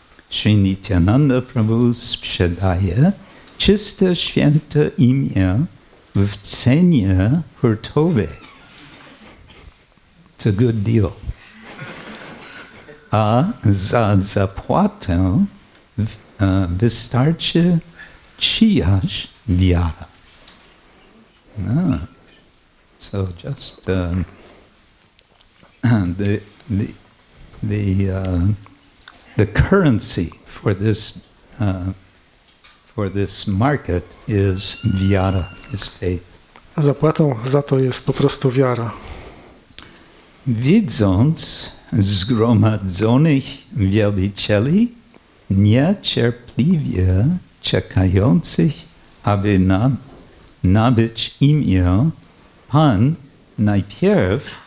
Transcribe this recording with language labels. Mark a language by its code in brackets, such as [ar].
[pl] Śrī Nityananda Prabhu sprzedaje czyste święte imię w cenie hurtowej. [en] It's a good deal. [pl] A za zapłatę wystarczy czyjaś wiara. [en] So just the currency for this market is [pl] wiara, [en] is faith. [pl] Zapłatą za to jest po prostu wiara. Widząc zgromadzonych wielbicieli, niecierpliwie czekających, aby nabyć imię, Pan najpierw